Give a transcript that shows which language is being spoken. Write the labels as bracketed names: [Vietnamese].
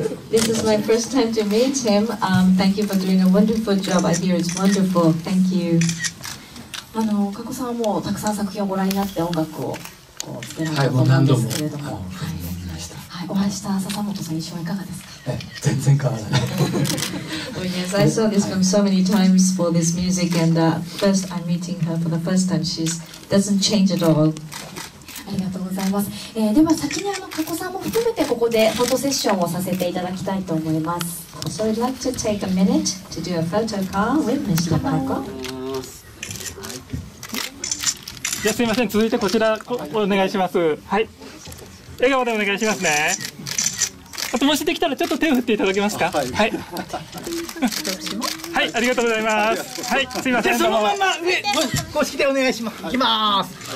[English] This is my first time to meet him. Thank you for doing a wonderful job. I hear it's wonderful. Thank you. [Japanese] あの、加古さんはもうたくさん作品をご覧になって音楽をこう出られたと思うんですけれども。はい、もう何度も。お会いした笹本さん、印象はいかがですか？全然変わらない。 [English] Well, yes, I saw this film so many times for this music, and first I'm meeting her for the first time. She doesn't change at all. [Japanese] ありがとうございます。では先にあの加古さんも含めてここでフォトセッションをさせていただきたいと思います。 [English] So I'd like to take a minute to do a photo call with Mr. Kako. [Japanese] じゃあすいません、続いてこちらお願いします。はい。笑顔でお願いしますね。あともしできたらちょっと手を振っていただけますか。はい、はい、ありがとうございます。はい、すいません。そのまま上公式でお願いします。いきます。